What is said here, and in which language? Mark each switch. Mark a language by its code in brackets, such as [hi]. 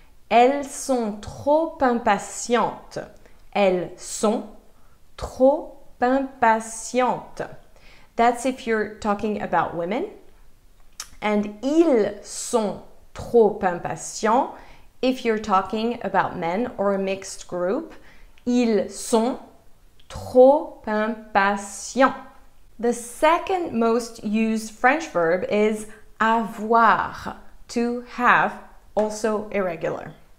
[fr] Elles sont trop impatientes. Elles sont trop impatientes. [en] That's if you're talking about women. And ils sont trop impatients if you're talking about men or a mixed group. [fr] Ils sont trop impatients. [en] The second most used French verb is avoir, to have, also irregular.